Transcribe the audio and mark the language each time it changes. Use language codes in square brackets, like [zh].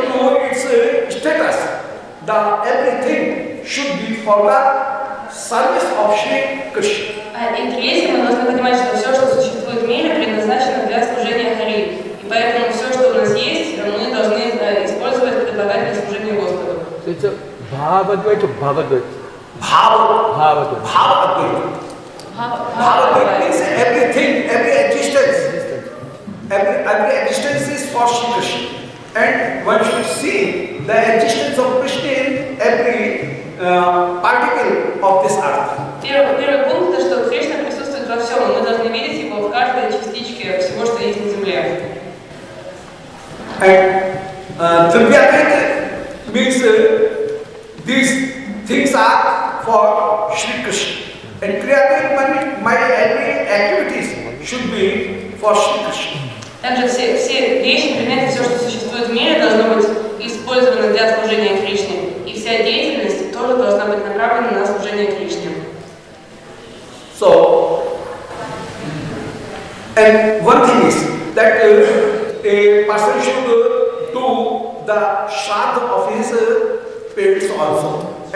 [en] that everything should be for the service of Shri Krishna. [ru] И третье, мы должны понимать, что все, что существует в мире, предназначено для служения Хари. И поэтому все, что у нас есть, мы должны использовать, предлагать для служения Господу. То есть Бхавадвайта, Бхавадвайта. [en] Бхавадвайта. Бхавадвайта. Бхавадвайта means everything, every existence. Every existence is for Shri Krishna. And one should see the existence of Krishna in every particle of this earth. [ru] Первый пункт, что Кришна присутствует во всем, мы должны видеть его в каждой частичке всего, что есть на Земле. [en] And Tribhyakrita means these things are for Shri Krishna. And Kriyakrita, my every activities should be for Shri Krishna. [ru] Также все вещи, предметы, все, что существует в мире, должно быть использовано для служения Кришне. И вся деятельность тоже должна быть направлена на служение Кришне. [en] So, and one thing is that a person should do the Shraddha of his parents also.